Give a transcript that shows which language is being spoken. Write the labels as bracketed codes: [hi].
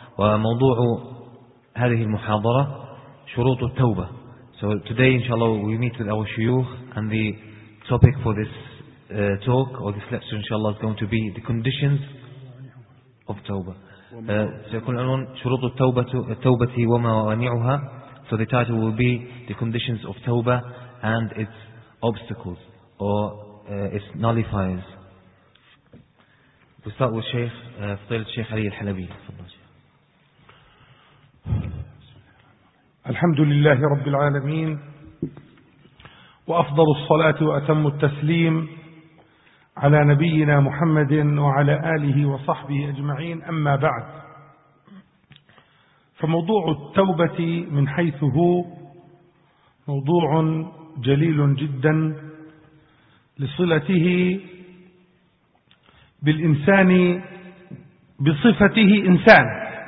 [ar] وموضوع هذه المحاضرة شروط التوبة. [en] So today inshallah we meet with our shuyukh, and the topic for this talk or this lecture inshallah is going to be the conditions of tawbah. [ar] سيكون شروط التوبة وما موانعها. [en] So the title will be the conditions of tawbah and its obstacles or its nullifiers. We'll start with Shaykh فضيلة الشيخ علي الحلبي. [ar] الحمد لله رب العالمين، وأفضل الصلاة وأتم التسليم على نبينا محمد وعلى آله وصحبه أجمعين. أما بعد، فموضوع التوبة من حيث هو موضوع جليل جدا لصلته بالإنسان بصفته إنسان.